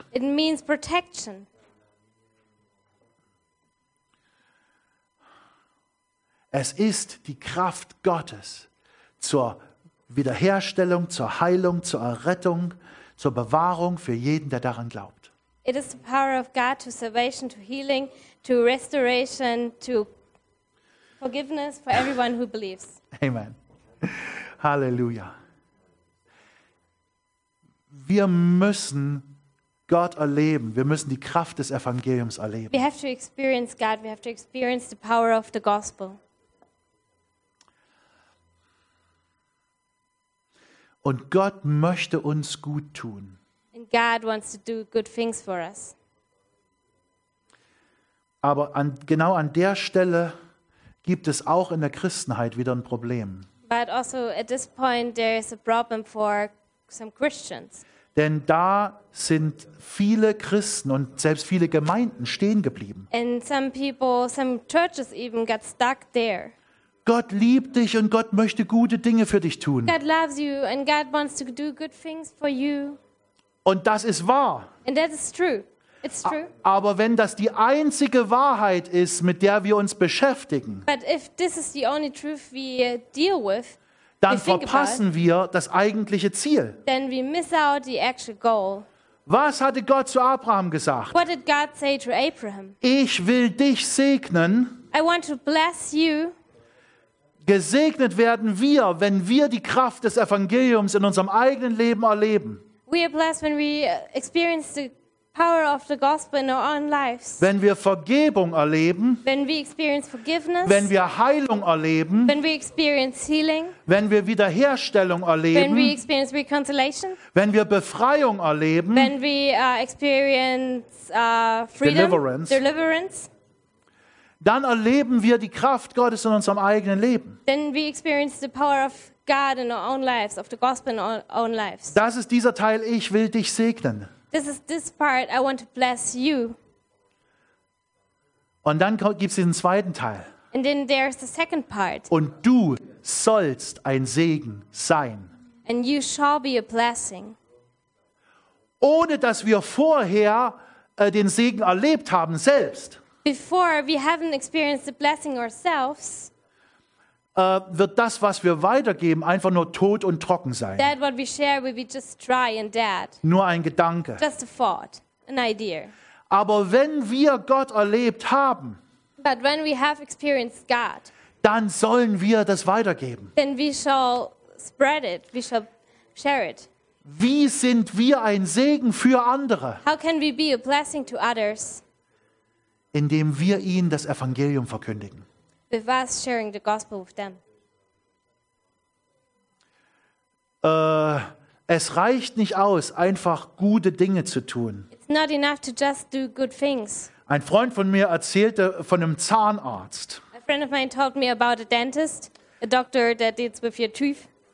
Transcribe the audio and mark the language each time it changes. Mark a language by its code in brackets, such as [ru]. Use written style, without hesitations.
[en] It means protection. [de] Es ist die Kraft Gottes zur Wiederherstellung, zur Heilung, zur Errettung, zur Bewahrung für jeden, der daran glaubt. [en] It is the power of God to salvation, to healing, to restoration, to forgiveness for everyone who believes. [de] Amen. Halleluja. Wir müssen Gott erleben. Wir müssen die Kraft des Evangeliums erleben. [en] We have to experience God. We have to experience the power of the gospel. [de] Und Gott möchte uns gut tun. [en] And God wants to do good things for us. [de] Aber genau an der Stelle gibt es auch in der Christenheit wieder ein Problem. [en] But also at this point there is a problem for some Christians. [de] Denn da sind viele Christen und selbst viele Gemeinden stehen geblieben. [en] And some people, some churches even got stuck there. [de] Gott liebt dich und Gott möchte gute Dinge für dich tun. [en] God loves you and God wants to do good things for you. [de] Und das ist wahr. [en] And that is true. It's true. [de] Aber wenn das die einzige Wahrheit ist, mit der wir uns beschäftigen, [en] but if this is the only truth we deal with, [de] dann verpassen wir das eigentliche Ziel. [en] Then we miss out the actual goal. [de] Was hatte Gott zu Abraham gesagt? [en] What did God say to Abraham? [de] Ich will dich segnen. [en] I want to bless you. [de] Gesegnet werden wir, wenn wir die Kraft des Evangeliums in unserem eigenen Leben erleben. [en] We are blessed when we experience the power of the gospel in our own lives. [de] Wenn wir Vergebung erleben, [en] when we experience forgiveness, [de] wenn wir Heilung erleben, [en] when we experience healing, [de] wenn wir Wiederherstellung erleben, [en] when we experience reconciliation, [de] wenn wir Befreiung erleben, [en] when we experience freedom, deliverance. [de] Dann erleben wir die Kraft Gottes in unserem eigenen Leben. [en] Then we experience the power of God in our own lives, of the gospel in our own lives. [de] Das ist dieser Teil, ich will dich segnen. [en] This is this part, I want to bless you. [de] Und dann gibt es diesen zweiten Teil. [en] And then there's the second part. [de] Und du sollst ein Segen sein. [en] And you shall be a blessing. [de] Ohne dass wir vorher den Segen erlebt haben selbst. [en] Before we haven't experienced the blessing ourselves, [de] wird das, was wir weitergeben, einfach nur tot und trocken sein. [en] That what we share will be just dry and dead. [de] Nur ein Gedanke. [en] Just a thought, an idea. [de] Aber wenn wir Gott erlebt haben, [en] but when we have experienced God, [de] dann sollen wir das weitergeben. [en] Then we shall spread it, we shall share it. [de] Wie sind wir ein Segen für andere? [en] How can we be a blessing to others? [de] Indem wir ihnen das Evangelium verkündigen. [en] With us sharing the gospel with them. [de] Es reicht nicht aus, einfach gute Dinge zu tun. [en] It's not enough to just do good things. [de] Ein Freund von mir erzählte von einem Zahnarzt. [en] A friend of mine told me about a dentist, a doctor that deals with your tooth.